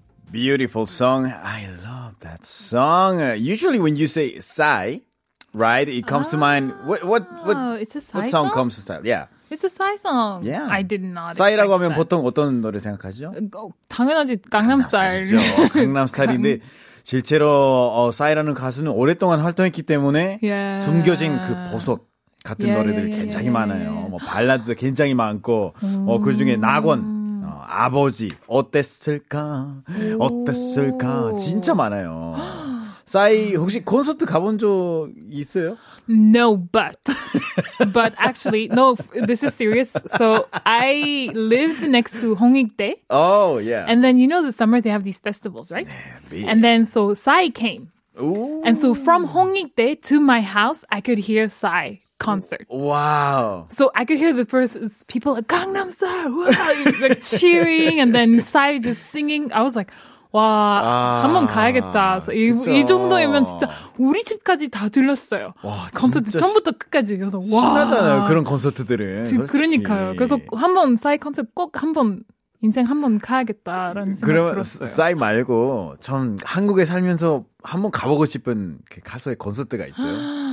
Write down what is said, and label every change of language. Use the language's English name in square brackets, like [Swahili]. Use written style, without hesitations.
[English] Beautiful song. I love that song. Usually when you say Psy, right, it comes to mind. What song comes to mind? Yeah. It's a Psy song. Yeah. I did not. [Korean] Psy라고 하면 보통 어떤 노래 생각하죠? 당연하지. 강남스타일이죠. 강남스타일인데 실제로 Psy라는 가수는 오랫동안 활동했기 때문에 yeah. 숨겨진 그 보석 같은 yeah, 노래들이 yeah, 굉장히 yeah, 많아요. Yeah. 뭐 발라드도 굉장히 많고 그중에 낙원. 아버지 어땠을까 어땠을까 진짜 많아요. 싸이 혹시 콘서트 가본 적 있어요? [English] No, but actually no. This is serious. So I lived next to Hongikdae. Oh yeah. And then you know the summer they have these festivals, right? Yeah, and then so Psy came. Ooh. And so from Hongikdae to my house, I could hear Psy. Concert. Wow. So I could hear the first people like Gangnam Style, wow, like cheering, and then Psy just singing. I was like, wow, [Korean] 한번 가야겠다. [English] So [Korean] 이 정도이면 진짜 우리 집까지 다 들렀어요. 와, 콘서트 처음부터 끝까지. 그래서 와. 신나잖아요, 그런 콘서트들은. 솔직히. 그러니까요. 그래서 한번 Psy 콘서트 꼭 한번 인생 한번 가야겠다라는 생각 그러면 들었어요. 싸이 말고 전 한국에 살면서 한번 가보고 싶은 가수의 콘서트가 있어요.